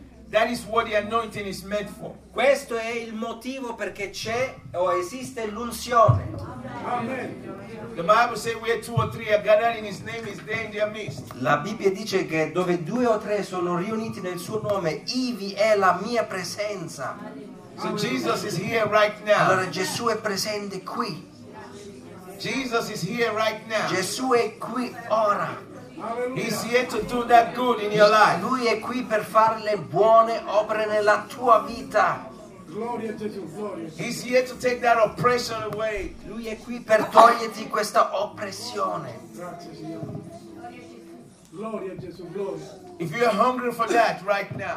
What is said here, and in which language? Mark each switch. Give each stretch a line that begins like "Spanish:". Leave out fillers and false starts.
English: That is what the anointing is meant for.
Italian: Questo è il motivo perché c'è o esiste l'unzione.
English: Amen. The Bible says where two or three are gathered in his name is there in their midst.
Italian: La Bibbia dice che dove due o tre sono riuniti nel suo nome, ivi è la mia presenza.
English: So Jesus is here right now.
Italian: Allora Gesù è presente qui.
English: Jesus is here right now.
Italian: Gesù è qui ora.
English: He's here to do that good in your life.
Italian: Lui è qui per fare le buone opere nella tua vita. Gloria a Gesù, gloria.
English: He's here to take that oppression away.
Italian: Lui è qui per toglierti questa oppressione. Grazie Signore. Gloria a Gesù, gloria.
English: If you're hungry for that right now.